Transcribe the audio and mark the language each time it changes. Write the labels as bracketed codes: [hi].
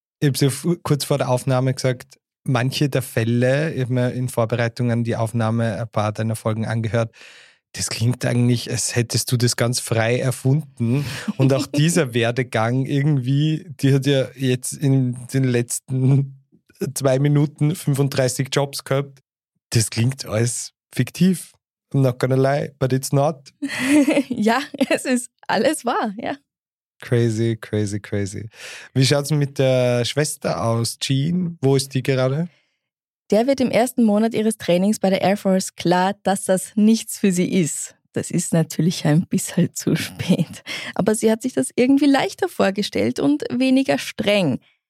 [de] Ich habe so kurz vor der Aufnahme gesagt, manche der Fälle, ich habe mir in Vorbereitung an die Aufnahme ein paar deiner Folgen angehört, das klingt eigentlich, als hättest du das ganz frei erfunden. Und auch dieser Werdegang irgendwie, die hat ja jetzt in den letzten 2 Minuten 35 Jobs gehabt. Das klingt alles fiktiv. [en] I'm not gonna lie, but it's not. [de] Ja, es ist alles wahr, ja. [en] Crazy, crazy, crazy. [de] Wie schaut es mit der Schwester aus, Jean? Wo ist die gerade? Der wird im ersten Monat ihres Trainings bei der Air Force klar, dass das nichts für sie ist. Das ist natürlich ein bisschen zu spät. Aber sie hat sich das irgendwie leichter vorgestellt und weniger streng.